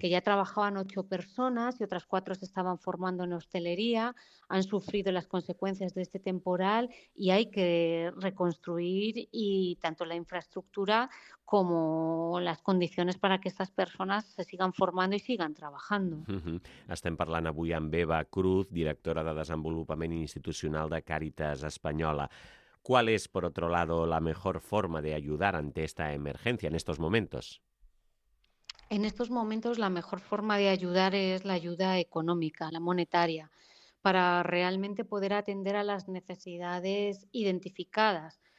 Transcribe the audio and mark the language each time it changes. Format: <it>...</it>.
<es>que ya trabajaban 8 personas y otras 4 se estaban formando en hostelería. Han sufrido las consecuencias de este temporal y hay que reconstruir y tanto la infraestructura como las condiciones para que estas personas se sigan formando y sigan trabajando.</es> <ca>Estem parlant avui amb Eva Cruz, directora de Desenvolupament Institucional de Càritas Espanyola.</ca> <es>¿Cuál es, por otro lado, la mejor forma de ayudar ante esta emergencia en estos momentos? En estos momentos, la mejor forma de ayudar es la ayuda económica, la monetaria, para realmente poder atender a las necesidades identificadas.</es>